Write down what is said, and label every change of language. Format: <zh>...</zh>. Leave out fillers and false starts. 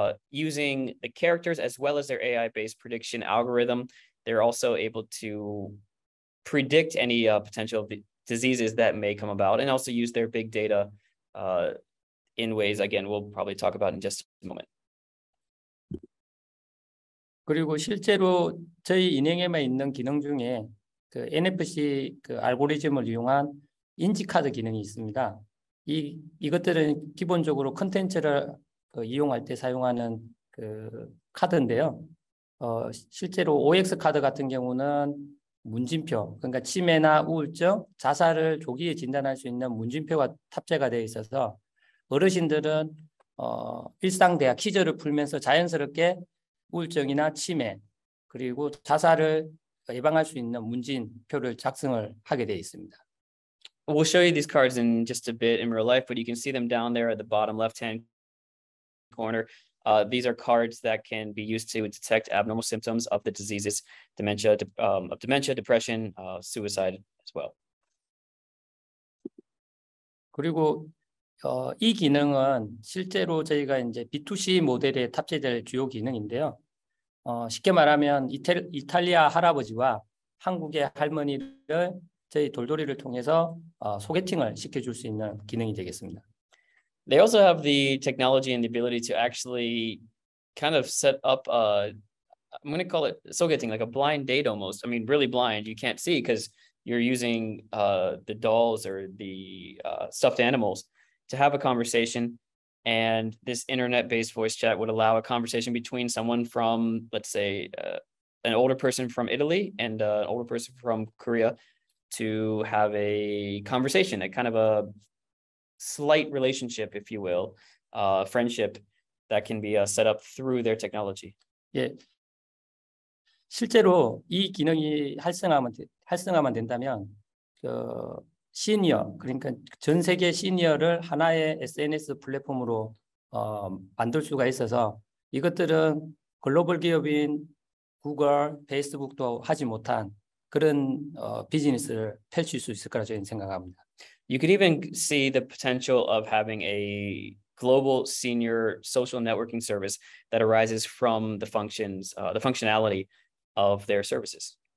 <en>Using the characters as well as their AI-based prediction algorithm, they're also able to predict any potential diseases that may come about and also use their big data in ways, again, we'll probably talk about in just a moment.</en> <ko>그리고 실제로 저희 인형에만 있는 기능 중에 그 NFC 그 알고리즘을 이용한 인지카드 기능이 있습니다. 이것들은 기본적으로 컨텐츠를 그 이용할 때 사용하는 그 카드인데요. 실제로 OX 카드 같은 경우는 문진표, 그러니까 치매나 우울증, 자살을 조기에 진단할 수 있는 문진표가 탑재가 되어 있어서 어르신들은 일상 대화 퀴즈를 풀면서 자연스럽게 우울증이나 치매 그리고 자살을 예방할 수 있는 문진표를 작성을 하게 되어 있습니다.</ko> <en>We'll show you these cards in just a bit in real life, but you can see them down there at the bottom left-hand corner. These are cards that can be used to detect abnormal symptoms of the diseases dementia, depression, suicide as well.</en> <ko>그리고 이 기능은 실제로 저희가 이제 B2C 모델에 탑재될 주요 기능인데요. 쉽게 말하면 이탈리아 할아버지와 한국의 할머니를 저희 돌돌이를 통해서 소개팅을 시켜줄 수 있는 기능이 되겠습니다.</ko> <en>They also have the technology and the ability to actually kind of set up a, I'm going to call it 소개팅, like a blind date almost. I mean, really blind. You can't see because you're using the dolls or the stuffed animals to have a conversation. And this internet-based voice chat would allow a conversation between someone from, let's say, an older person from Italy and an older person from Korea to have a conversation, a kind of a slight relationship, if you will, friendship that can be set up through their technology.</en> <ko>예, 실제로 이 기능이 활성화만 된다면 시니어, 그러니까 전 세계 시니어를 하나의 SNS 플랫폼으로 만들 수가 있어서 이것들은 글로벌 기업인 구글, 페이스북도 하지 못한 그런 비즈니스를 펼칠 수 있을 거라 저는 생각합니다.</ko> <en>You could even see the potential of having a global senior social networking service that arises from the functions, the functionality of their services.</en>